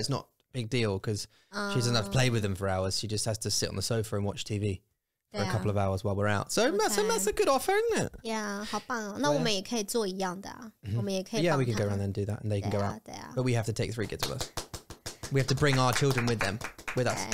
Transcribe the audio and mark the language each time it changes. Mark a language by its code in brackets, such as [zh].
[en] It's not a big deal because she doesn't have to play with them for hours. She just has to sit on the sofa and watch TV. For a couple of hours while we're out. So that's a good offer, isn't it? Yeah, [zh] 好棒哦。那我们也可以做一样的啊。我们也可以帮他。 [en] Yeah, we can go around and do that, and they can go out. [zh] 对啊。 [en] But we have to take 3 kids with us. We have to bring our children with them, with us.